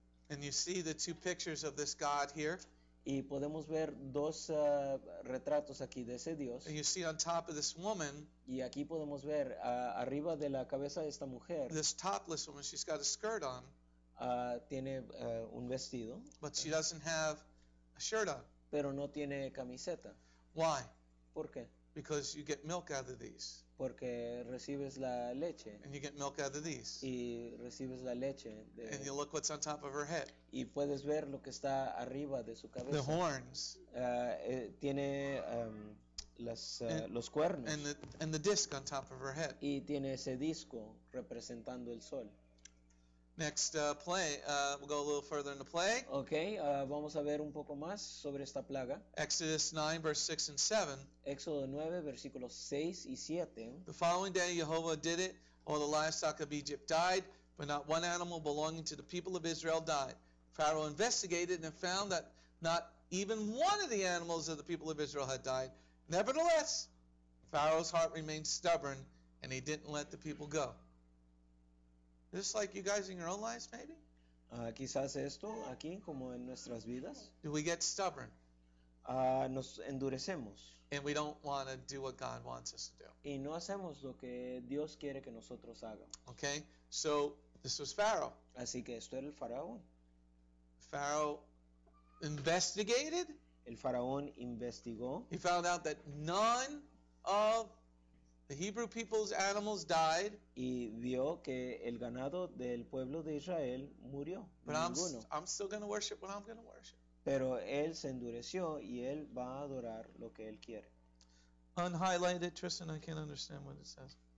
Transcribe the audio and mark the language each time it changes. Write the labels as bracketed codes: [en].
[en] And you see the two pictures of this god here. [es] Y podemos ver dos retratos aquí de ese dios. [en] And you see on top of this woman, [es] y aquí podemos ver arriba de la cabeza de esta mujer. [en] This topless woman, she's got a skirt on. [es] Tiene un vestido. [en] But she doesn't have a shirt on. [es] Pero no tiene camiseta. [en] Why? [es] ¿Por qué? [en] Because you get milk out of these. [es] Porque recibes la leche. [en] And you get milk out of these. [es] Y recibes la leche de, [en] and you look what's on top of her head. [es] Y puedes ver lo que está arriba de su cabeza. [en] The horns. [es] Tiene las los cuernos. [en] And the disc on top of her head. [es] Y tiene ese disco representando el sol. [en] Next play. We'll go a little further in the play. [es] Okay, vamos a ver un poco más sobre esta plaga. [en] Exodus 9, verse 6 and 7. [es] Éxodo 9, versículos 6 y 7. [en] The following day, Jehovah did it. All the livestock of Egypt died, but not one animal belonging to the people of Israel died. Pharaoh investigated and found that not even one of the animals of the people of Israel had died. Nevertheless, Pharaoh's heart remained stubborn, and he didn't let the people go. Just like you guys in your own lives, maybe? [es] Quizás esto aquí, como en nuestras vidas. [en] Do we get stubborn? [es] Nos endurecemos. [en] And we don't want to do what God wants us to do. [es] Y no hacemos lo que Dios quiere que nosotros hagamos. [en] Okay, so this was Pharaoh. [es] Así que esto era el faraón. [en] Pharaoh investigated. [es] El faraón investigó. [en] He found out that none of the Hebrew people's animals died. [es] Y vio que el ganado del pueblo de Israel murió. [en] But I'm still going to worship what I'm going to worship. [es] Pero él se endureció y él va a adorar lo que él quiere. [en] Unhighlighted, Tristan, I can't understand what it says.